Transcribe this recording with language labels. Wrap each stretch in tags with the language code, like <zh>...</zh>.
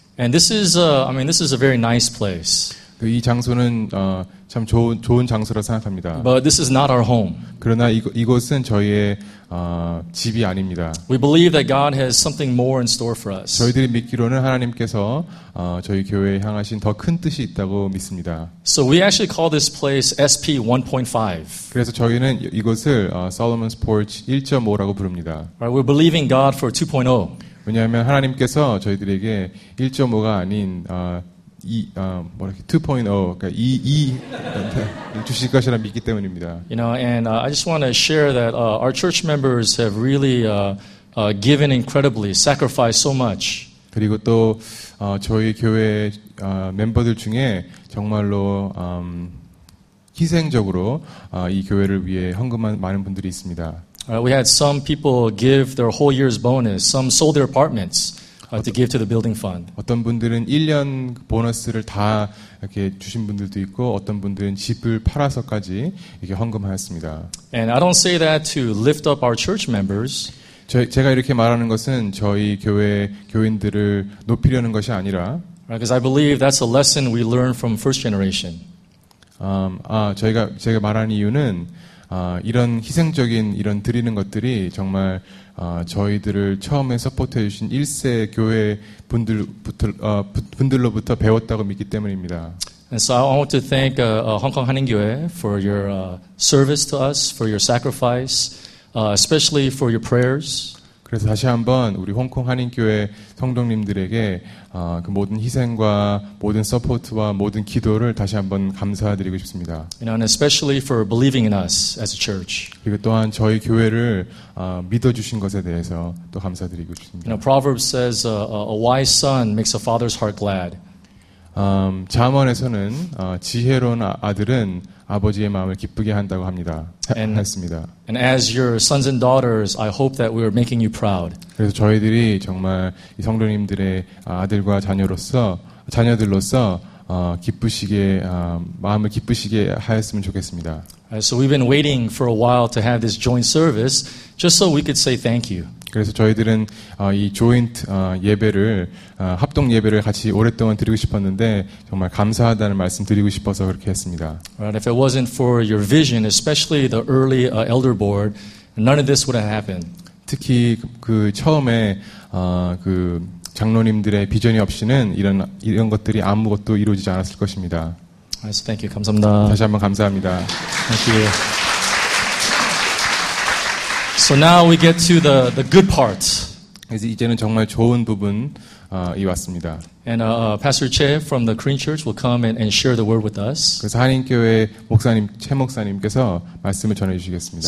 <en>And this is, this is a very nice place.</en> <ko>그 이 장소는 참 좋은 장소라 생각합니다.</ko> <en>But this is not our home.</en> <ko>그러나 이곳은 저희의 집이 아닙니다.</ko> <en>We believe that God has something more in store for us.</en> <ko>저희들이 믿기로는 하나님께서 저희 교회에 향하신 더 큰 뜻이 있다고 믿습니다.</ko> <en>So we actually call this place SP 1.5.</en> <ko>그래서 저희는 이곳을 Solomon's Porch 1.5라고 부릅니다.</ko> <en>Right, we're believing God for 2.0.</en> <ko>왜냐하면 하나님께서 저희들에게 1.5가 아닌 2.0 주실 것이라 믿기 때문입니다.</ko> <en>You know, and I just want to share that our church members have really given incredibly, sacrificed so much.</en> <ko>그리고 또 저희 교회 멤버들 중에 정말로 희생적으로 이 교회를 위해 헌금한 많은 분들이 있습니다.</ko> <en>We had some people give their whole year's bonus. Some sold their apartments. To give to the building fund.</en> <ko>어떤 분들은 1년 보너스를 다 이렇게 주신 분들도 있고 어떤 분들은 집을 팔아서까지 이렇게 헌금하였습니다.</ko> <en>And I don't say that to lift up our church members.</en> <ko>제가 이렇게 말하는 것은 저희 교회 교인들을 높이려는 것이 아니라</ko> <en>because I believe that's a lesson we learn from first generation.</en> <ko>제가 말하는 이유는 이런 희생적인 이런 드리는 것들이 정말 저희들을 처음에 서포트해 주신 1세 교회 분들로부터 배웠다고 믿기 때문입니다.</ko> <en>And so I want to thank Hong Kong Haningyue for your service to us, for your sacrifice, especially for your prayers.</en> <ko>그래서 다시 한번 우리 홍콩 한인교회 성도님들에게 그 모든 희생과 모든 서포트와 모든 기도를 다시 한번 감사드리고 싶습니다.</ko> <en>And especially for believing in us as a church.</en> <ko>그리고 또한 저희 교회를 믿어주신 것에 대해서 또 감사드리고 싶습니다.</ko> <en>You know, Proverbs says a wise son makes a father's heart glad.</en> <ko>잠언에서는 지혜로운 아들은 아버지의 마음을 기쁘게 한다고 합니다.</ko> <en>And,</en> <ko>했습니다.</ko> <en>And as your sons and daughters, I hope that we are making you proud.</en> <ko>그래서 저희들이 정말 이 성도님들의 아들과 자녀들로서 기쁘시게 마음을 기쁘시게 하였으면 좋겠습니다.</ko> <en>So we've been waiting for a while to have this joint service just so we could say thank you.</en> <ko>그래서 저희들은 이 조인트 예배를 합동 예배를 같이 오랫동안 드리고 싶었는데 정말 감사하다는 말씀 드리고 싶어서 그렇게 했습니다.</ko> <en>Right, if it wasn't for your vision, especially the early elder board, none of this would have happened.</en> <ko>특히 그 처음에 그 장로님들의 비전이 없이는 이런 것들이 아무것도 이루어지지 않았을 것입니다.</ko> <en>Nice, thank you.</en> <ko>감사합니다. 다시 한번 감사합니다.</ko> <en>Thank you. So now we get to the good part.</en> <ko>이제 이제는 정말 좋은 부분 이 왔습니다.</ko> <en>And Pastor Che from the Korean Church will come and share the word with us.</en> <ko>그래서 한인교회 목사님 최 목사님께서 말씀을 전해 주시겠습니다.</ko>